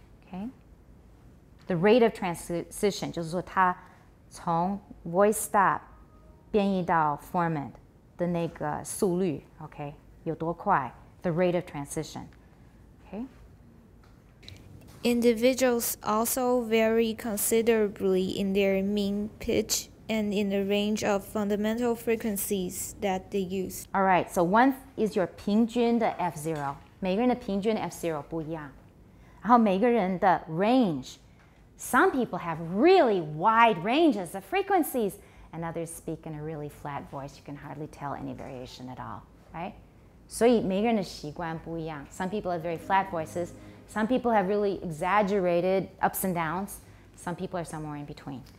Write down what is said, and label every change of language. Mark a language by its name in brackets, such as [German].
[English] Okay, the rate of transition [Chinese] 就是说它从 [English] voice stop [Chinese] 变异到 [English] formant [Chinese] 的那个速率 [English] okay [Chinese] 有多快 [English] the rate of transition. Okay. Individuals also vary considerably in their mean pitch and in the range of fundamental frequencies that they use. All right, so one is your [Chinese] 平均的 [English] F0. [Chinese] 每个人的平均 F0 不一样. 然后每个人的 range. [English] Some people have really wide ranges of frequencies and others speak in a really flat voice. You can hardly tell any variation at all, right? [Chinese] 所以每个人的习惯不一样. [English] Some people have very flat voices. Some people have really exaggerated ups and downs. Some people are somewhere in between.